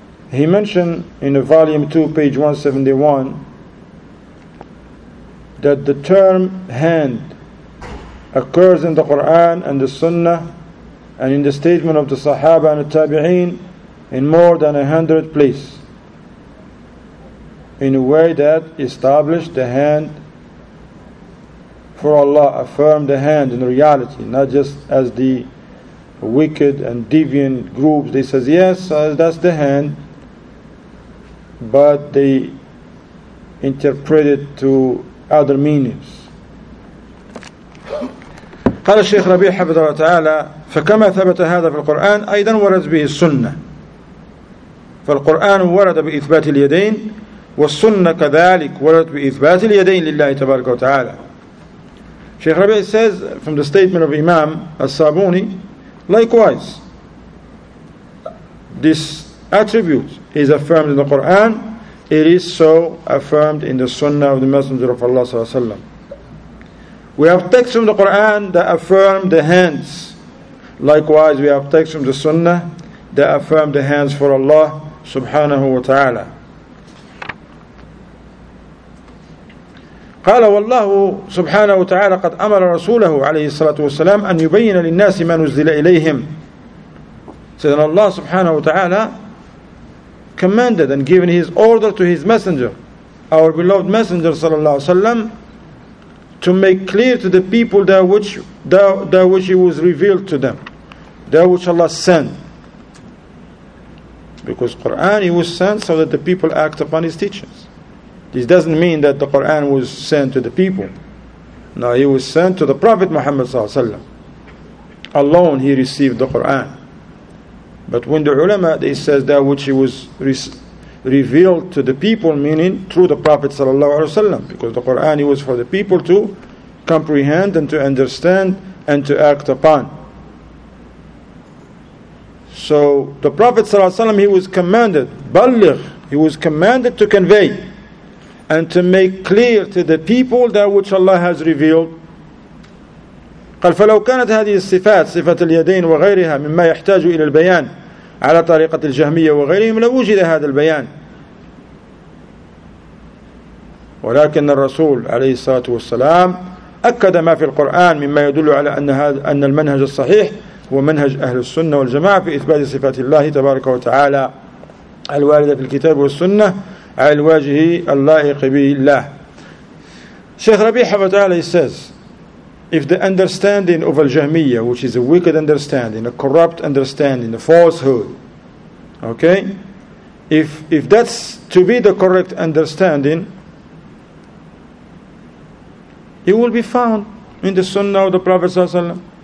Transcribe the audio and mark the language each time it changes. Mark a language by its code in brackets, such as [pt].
[en] He mentioned in volume 2, page 171, that the term hand occurs in the Quran and the Sunnah and in the statement of the Sahaba and the Tabi'een in more than 100 places, in a way that established the hand for Allah, affirmed the hand in reality, not just as the wicked and deviant groups. They says, yes, that's the hand, but they interpret it to other meanings. [ar] قال الشيخ ربيع حفظه الله تعالى: فكما ثبت هذا في القرآن أيضا ورد به السنة. فالقرآن ورد بإثبات اليدين, والسنة كذلك ورد بإثبات اليدين لله تبارك وتعالى. [en] الشيخ ربيع says from the statement of Imam الصابوني: likewise, this attribute is affirmed in the Quran, it is so affirmed in the Sunnah of the Messenger of Allah sallallahu alaihi wasallam. We have texts from the Quran that affirm the hands. Likewise, we have texts from the Sunnah that affirm the hands for Allah subhanahu wa ta'ala. [ar] قال: والله سبحانه وتعالى قد أمر رسوله عليه الصلاة والسلام أن يبين للناس ما نزل إليهم. [en] سيدنا الله سبحانه وتعالى commanded and given his order to his messenger, our beloved messenger صلى الله عليه وسلم, to make clear to the people that which he was revealed to them, that which Allah sent. Because Quran, he was sent so that the people act upon his teachings. This doesn't mean that the Quran was sent to the people. No, he was sent to the Prophet Muhammad sallallahu alaihi wasallam. Alone he received the Quran. But when the ulama, they says that which he was revealed to the people, meaning through the Prophet sallallahu alaihi wasallam, because the Quran, it was for the people to comprehend and to understand and to act upon. So the Prophet sallallahu alaihi wasallam, he was commanded, baligh, he was commanded to convey and to make clear to the people that which Allah has revealed. [ar] قال: فلو كانت هذه الصفات صفة اليدين وغيرها مما يحتاج إلى البيان على طريقة الجهمية وغيرهم لوجد هذا البيان. ولكن الرسول عليه الصلاة والسلام أكد ما في القرآن مما يدل على أن المنهج الصحيح هو منهج أهل السنة والجماعة في إثبات صفات الله تبارك وتعالى الواردة في الكتاب والسنة على الوجه اللائق به الله. [en] شيخ ربيع حفظه الله says, if the understanding of al-Jahmiyyah, which is a wicked understanding, a corrupt understanding, a falsehood, okay, if that's to be the correct understanding, it will be found in the Sunnah of the Prophet ﷺ.